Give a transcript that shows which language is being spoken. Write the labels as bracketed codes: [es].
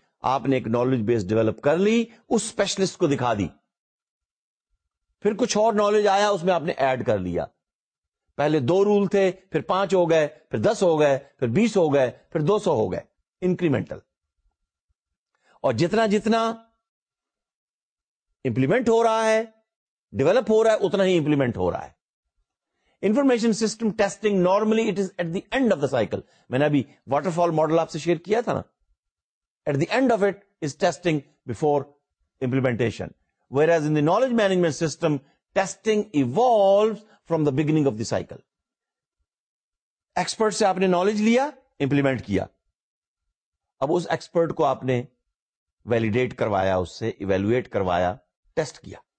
[ur] آپ نے ایک نالج بیس ڈیولپ کر لی, اس اسپیشلسٹ کو دکھا دی, پھر کچھ اور نالج آیا, اس میں آپ نے ایڈ کر لیا. پہلے دو رول تھے, پھر پانچ ہو گئے, پھر دس ہو گئے, پھر بیس ہو گئے, پھر دو سو ہو گئے. انکریمنٹل. اور جتنا جتنا امپلیمنٹ ہو رہا ہے, ڈیولپ ہو رہا ہے, اتنا ہی امپلیمنٹ ہو رہا ہے. [en] Information system testing normally it is at the end of the cycle. [ur] میں نے ابھی واٹر فال ماڈل آپ سے شیئر کیا تھا نا, [en] At the end of it is testing before implementation. Whereas in the knowledge management system testing evolve from the beginning of the cycle. [ur] Expert سے آپ نے نالج لیا, امپلیمنٹ کیا, اب اس ایکسپرٹ کو آپ نے ویلیڈیٹ کروایا, اس سے ایویلویٹ کروایا, ٹیسٹ کیا.